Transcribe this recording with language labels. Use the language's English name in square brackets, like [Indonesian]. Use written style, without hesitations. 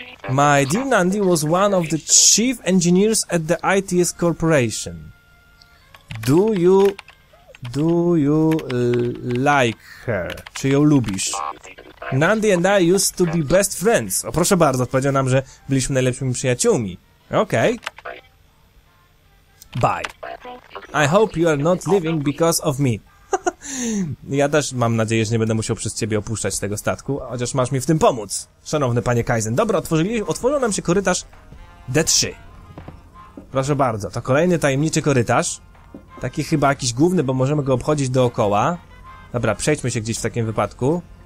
[English] My dear Nandy was one of the chief engineers at the ITS Corporation. Do you like her? [Polish] Czy ją lubisz? [English] Nandy and I used to be best friends. [Polish] O, proszę bardzo, odpowiedział nam, że byliśmy najlepszymi przyjaciółmi. [English] Okej. Okay. Bye. I hope you are not leaving because of me. [Polish] Ja też mam nadzieję, że nie będę musiał przez ciebie opuszczać tego statku, chociaż masz mi w tym pomóc, szanowny panie Kaizen. Dobra, otworzył nam się korytarz D3. Proszę bardzo, to kolejny tajemniczy korytarz. Taki chyba jakiś główny, bo możemy go obchodzić dookoła. Dobra, przejdźmy się gdzieś w takim wypadku.